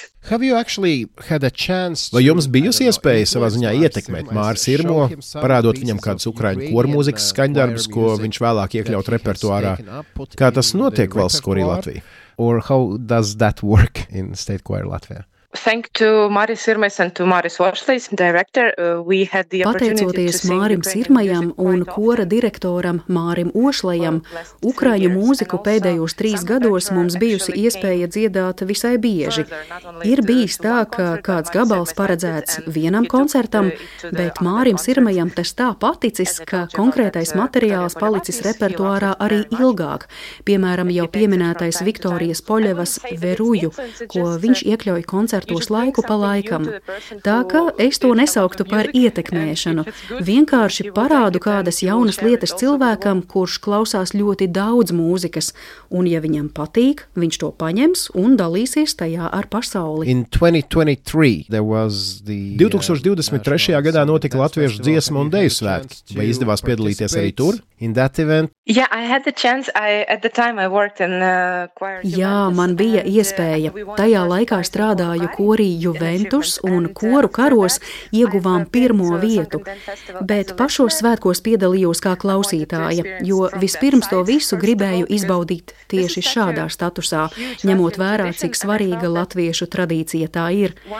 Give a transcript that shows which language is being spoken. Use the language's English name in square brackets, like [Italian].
[English] Have you actually had a chance? [Latvian] Vai jums bijusi iespēja savā ziņā ietekmēt Māru Sirmo, parādot viņam kādas ukraiņu kormūzikas skaņdarbus, ko viņš vēlāk iekļaut repertuārā? Kā tas notiek valsts korī Latvijā? [English] Or how does that work in state choir Latvia? Thank to Māris Sirmais and to Māris Vašlis, director, we had the opportunity [Latvian] Pateicoties Mārim Sirmajam un kora direktoram Mārim Ošlejam, ukraiņu mūziku pēdējos 3 gados mums bijusi iespēja dziedāt visai bieži. Ir bijis tā, ka kāds gabals paredzēts vienam koncertam, bet Mārim Sirmajam tas tā paticis, ka konkrētais materiāls palicis repertuārā arī ilgāk, piemēram jau pieminētais Viktorijas Poļevas Veruju, ko viņš iekļauj koncertu ar tos laiku pa laikam. Tā ka es to nesauktu par ietekmēšanu. Vienkārši parādu kādas jaunas lietas cilvēkam, kurš klausās ļoti daudz mūzikas. Un ja viņam patīk, viņš to paņems un dalīsies tajā ar pasauli. [English] In 2023, there was the [Latvian] 2023. Gadā notika latviešu dziesmu un deju svētki. Vai izdevās piedalīties arī tur? [English] In that event? Yeah, I had the chance. At the time I worked in choir. [Latvian] Jā, man bija iespēja. Tajā laikā strādāju korī Juventus un koru karos ieguvām 1. vietu. Bet pašos svētkos piedalījos kā klausītāja, jo vispirms to visu gribēju izbaudīt tieši šādā statusā, ņemot vērā, cik svarīga latviešu tradīcija tā ir.